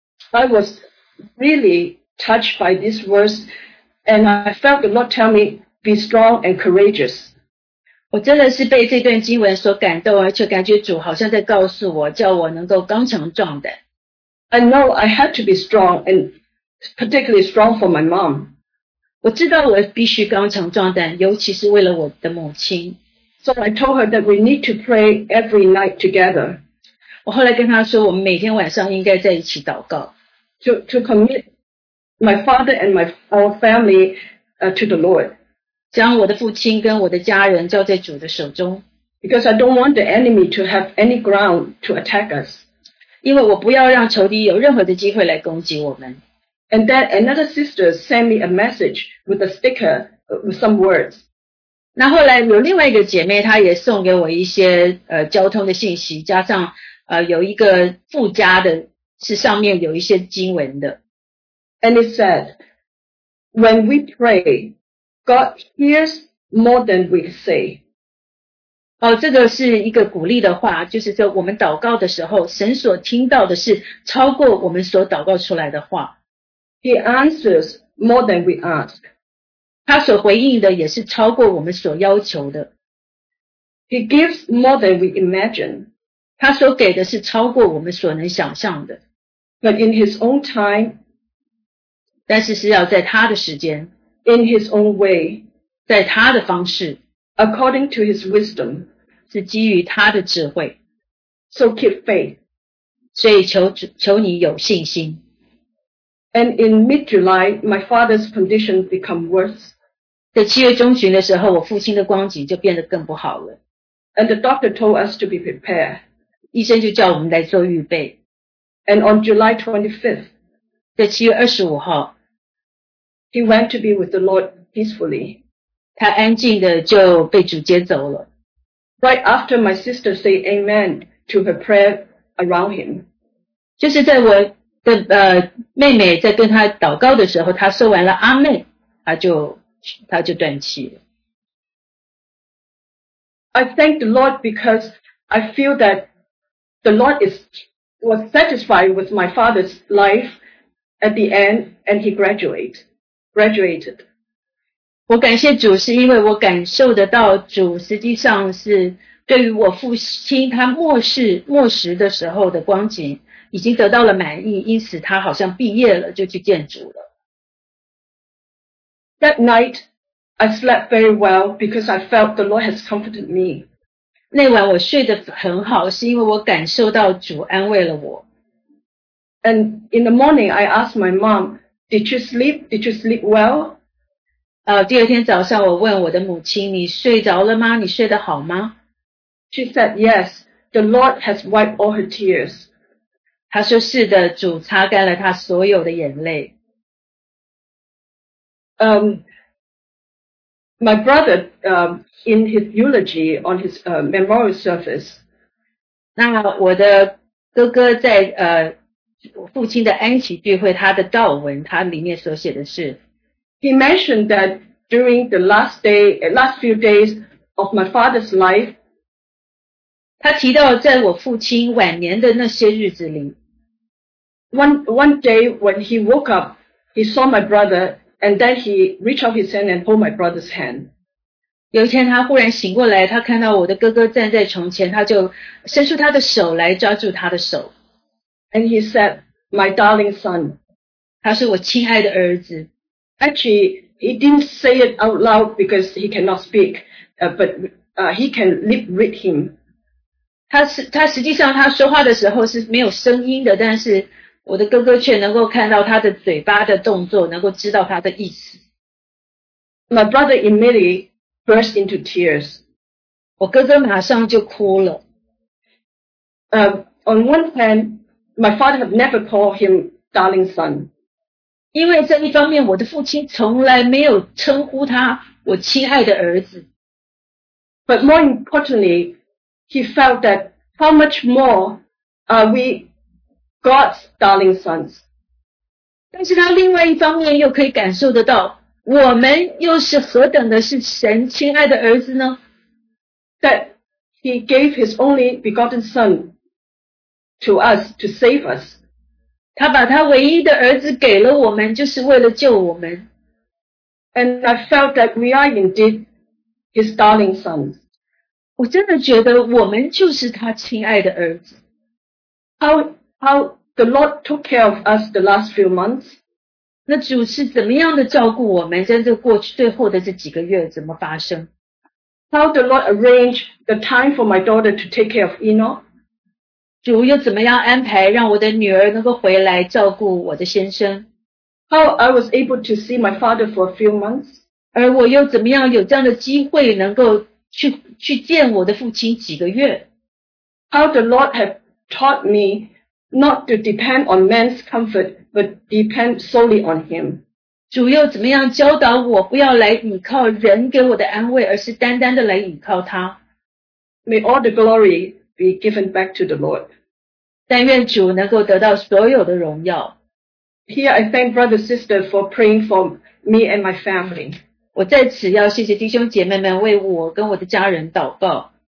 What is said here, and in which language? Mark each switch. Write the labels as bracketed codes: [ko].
[en] I was really touched by this verse, and I felt the Lord tell me, be strong and courageous. [zh] 我真的是被这段经文所感动，而且感觉主好像在告诉我，叫我能够刚强壮胆。 [en] I know I had to be strong andparticularly strong for my mom. [zh] 我知道我必须刚强壮胆，尤其是为了我的母亲。 [en] So I told her that we need to pray every night together. [zh] 我后来跟她说，我们每天晚上应该在一起祷告。 [en] To commit my father and our family to the Lord. [zh] 将我的父亲跟我的家人交在主的手中。 [en] Because I don't want the enemy to have any ground to attack us. [zh] 因为我不要让仇敌有任何的机会来攻击我们。 [en] And then another sister sent me a message with a sticker with some words. [zh] 那后来有另外一个姐妹，她也送给我一些交通的信息，加上有一个附加的，是上面有一些经文的。 [en] And it said, when we pray, God hears more than we say. [zh] 这个是一个鼓励的话，就是说我们祷告的时候，神所听到的是超过我们所祷告出来的话。 [en] He answers more than we ask. [zh] 他所回应的也是超过我们所要求的。 [en] He gives more than we imagine. [zh] 他所给的是超过我们所能想象的。 [en] But in his own time, [zh] 但是是要在他的时间。 [en] In his own way, [zh] 在他的方式。 [en] According to his wisdom, [zh] 是基于他的智慧。 [en] So keep faith. [zh] 所以求你有信心。 [en] And in mid-July, my father's condition become worse. [zh] 在七月中旬的时候，我父亲的光景就变得更不好了。 [en] And the doctor told us to be prepared. [zh] 医生就叫我们来做预备。 [en] And on July 25th, [zh] 在七月二十五号 [en] he went to be with the Lord peacefully. [zh] 他安静的就被主接走了。 [en] Right after my sister say amen to her prayer around him. [zh] 就是在我的妹妹在跟她祷告的时候，她说完了阿妹，她就断气了。 [en] I thank the Lord because I feel that the Lord was satisfied with my father's life at the end, and he graduated. [zh] 我感谢主，是因为我感受得到主实际上是对于我父亲他末时的时候的光景。已经得到了满意，因此他好像毕业了，就去见主了。 [en] That night, I slept very well because I felt the Lord has comforted me. [zh] 那晚我睡得很好，是因为我感受到主安慰了我。 [en] And in the morning, I asked my mom, "Did you sleep? Did you sleep well?" [zh] 第二天早上我问我的母亲，你睡着了吗？你睡得好吗？ [en] She said, "Yes, the Lord has wiped all her tears." [zh] 他说是的，主擦干了他所有的眼泪。 [en] My brother, in his eulogy on his memorial service, [zh] 那我的哥哥在父亲的安息聚会，他的悼文，他里面所写的是 [en] ，He mentioned that during the last few days of my father's life, [zh] 他提到在我父亲晚年的那些日子里。 [en] One day when he woke up, he saw my brother, and then he reached out his hand and pulled my brother's hand. [zh] 有一天他忽然醒过来，他看到我的哥哥站在床前，他就伸出他的手来抓住他的手。 [en] And he said, "My darling son." [zh] 他说我亲爱的儿子。 [en] Actually, he didn't say it out loud because he cannot speak, but he can lip read him. [zh] 他实际上他说话的时候是没有声音的，但是我的哥哥却能够看到他的嘴巴的动作，能够知道他的意思。 [en] My brother immediately burst into tears. [zh] 我哥哥马上就哭了。 [en] On one hand, my father had never called him darling son. [zh] 因为这一方面，我的父亲从来没有称呼他我亲爱的儿子。 [en] But more importantly, he felt that how much more are we. God's darling sons. [zh] 但是他另外一方面又可以感受得到，我们又是何等的是神亲爱的儿子呢？ [en] That he gave his only begotten son to us to save us. [zh] 他把他唯一的儿子给了我们，就是为了救我们。 [en] And I felt that we are indeed his darling sons. [zh] 我真的觉得我们就是他亲爱的儿子。 [en] How the Lord took care of us the last few months. [zh] 那主是怎么样的照顾我们在这过去最后的这几个月怎么发生？ [en] How the Lord arranged the time for my daughter to take care of Enoch. [zh] 主又怎么样安排让我的女儿能够回来照顾我的先生？ [en] How I was able to see my father for a few months. [zh] 而我又怎么样有这样的机会能够去见我的父亲几个月？ [en] How the Lord had taught me. Not to depend on man's comfort, but depend solely on him. [zh] 主又怎么样教导我不要来倚靠人给我的安慰，而是单单的来倚靠他。 [en] May all the glory be given back to the Lord. [zh] 但愿主能够得到所有的荣耀。 [en] Here I thank brother and sister for praying for me and my family. [zh] 我在此要谢谢弟兄姐妹们为我跟我的家人祷告。